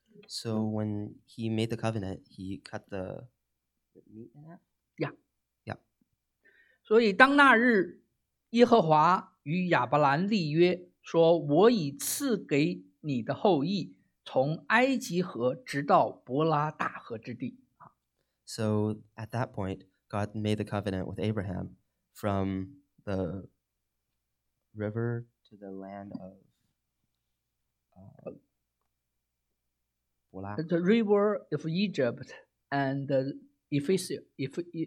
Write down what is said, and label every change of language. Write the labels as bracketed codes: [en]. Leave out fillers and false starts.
[en] So when he made the covenant, he cut the meat in half. Yeah, yeah. [zh] 所以当那日，耶和华与亚伯兰立约，说：“我已赐给你的后裔，从埃及河直到伯拉大河之地。” [en] So at that point, God made the covenant with Abraham from the river to the land of The river of Egypt and the Ephesian river.